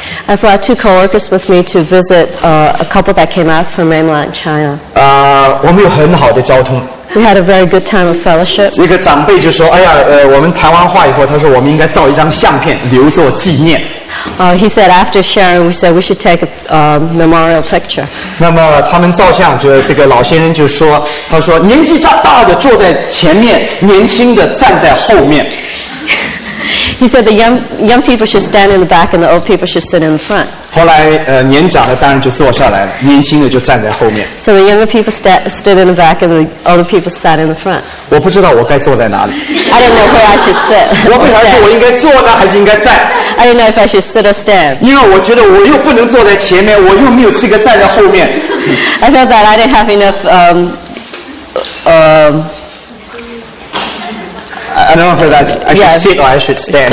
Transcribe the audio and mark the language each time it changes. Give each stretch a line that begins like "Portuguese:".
English: I brought two coworkers with me to visit a couple that came out from mainland China.
Chinese: 我们有很好的交通。
English: We had a very good time of fellowship.
Chinese: 一个长辈就说：“哎呀，我们谈完话以后，他说我们应该照一张相片留作纪念。”
English: He said after sharing, we said we should take a memorial picture.
Chinese: 那么他们照相，就这个老先生就说，他说年纪大的坐在前面，年轻的站在后面。
English: He said the young people should stand in the back and the old people should sit in the front.
Chinese: 后来年长的当然就坐下来了，年轻的就站在后面。
English: So the younger people stood in the back and the older people sat in the front.
Chinese: 我不知道我该坐在哪里。
English: I don't know where I should sit.
Chinese: 我不晓得我应该坐呢还是应该站。
English: I don't know if I should sit or stand.
Chinese: 因为我觉得我又不能坐在前面，我又没有资格站在后面。
English: I felt that I didn't have enough I don't know if that's, I should sit or I should stand.